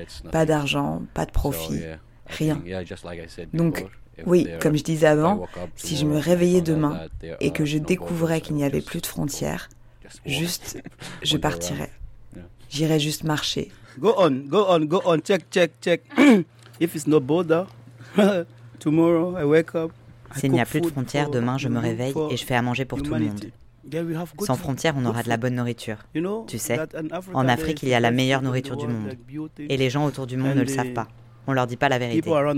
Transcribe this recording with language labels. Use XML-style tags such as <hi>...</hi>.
<fr>Pas d'argent, pas de profit, rien. Donc, oui, comme je disais avant, si je me réveillais demain et que je découvrais qu'il n'y avait plus de frontières, juste, je partirais. J'irais juste marcher.</fr> <en>Go on, go on, go on, check, check, check. If it's no border, tomorrow I wake up.</en> <fr>S'il n'y a plus de frontières, demain je me réveille et je fais à manger pour tout le monde. Sans frontières, on aura de la bonne nourriture. Tu sais, en Afrique, il y a la meilleure nourriture du monde. Et les gens autour du monde ne le savent pas. On ne leur dit pas la vérité.</fr>